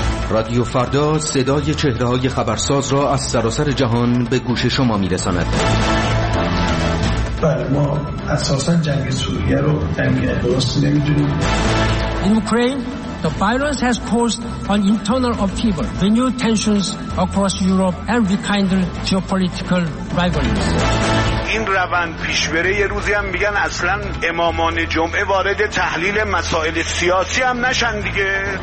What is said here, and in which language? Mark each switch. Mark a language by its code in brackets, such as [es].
[fa] رادیو فردا صدای چهره‌های خبرساز را از سراسر جهان به گوش شما می‌رساند. بله، ما اساساً جنگ سوریه رو جنگ درست نمی‌دونیم. [en] In Ukraine, the virus has caused an internal upheaval, the new tensions across Europe and rekindled geopolitical rivalries. [fa] این روند پیشبره یه روزی هم میگن اصلا امامان جمعه وارد تحلیل مسائل سیاسی هم نشن دیگه.